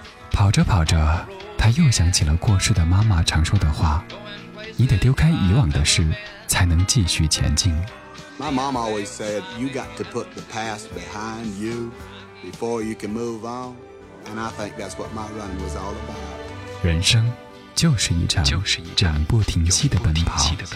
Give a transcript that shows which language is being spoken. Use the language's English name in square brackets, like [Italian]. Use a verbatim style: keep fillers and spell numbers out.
[Chinese] 跑着跑着，他又想起了过世的妈妈常说的话：“你得丢开以往的事，才能继续前进。” [English] My mom always said, you got to put the past behind you. Before you can move on, and I think that's what my run was all about. [Chinese] 人生就是一场永不停息的奔跑。